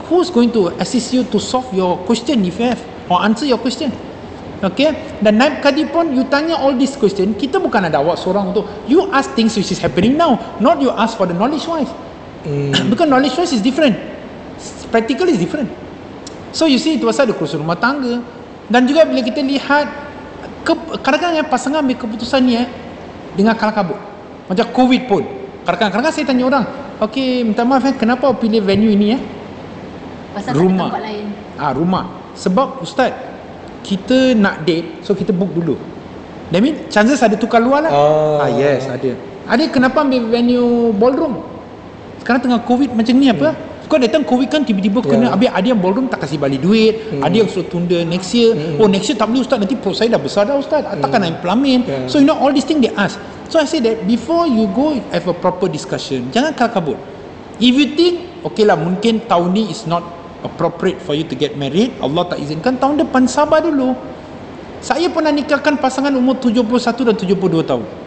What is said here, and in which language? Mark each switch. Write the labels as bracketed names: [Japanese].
[English] Who's going to assist you to solve your question if you have, or answer your question? Okay, [Malay] dan naib kadi pun [English] you tanya all these question, [Malay] kita bukan ada awak seorang tu, [English] you ask things which is happening now, not you ask for the knowledge wise. Because knowledge wise is different, practical is different. So you see, [Malay] itu pasal ada kursus rumah tangga. Dan juga bila kita lihat kadang-kadang pasangan ambil keputusan ni dengan kalah-kabut, macam COVID pun kadang-kadang saya tanya orang, okay minta maaf kenapa pilih venue ini pasal rumah. Tak ada tempat lain. Rumah, sebab ustaz kita nak date, so kita book dulu. [English] That mean chances [Malay] ada tukar luar lah. Yes, ada. Ada kenapa ambil venue ballroom? Sekarang tengah COVID macam ni apa? Kau datang COVID kan tiba-tiba kena. Habis ada yang ballroom tak kasih balik duit. Ada yang suruh tunda next year. Oh next year tak boleh ustaz, nanti proses saya dah besar dah ustaz. Takkan nak implement. [English] So you know all these things they ask. So I say that before you go have a proper discussion, [Malay] jangan kalkabut. [English] If you think okay lah, [Malay] mungkin tahun ni [English] is not appropriate for you to get married, [Malay] Allah tak izinkan, tahun depan sabar dulu. Saya pernah nikahkan pasangan umur 71 dan 72 tahun.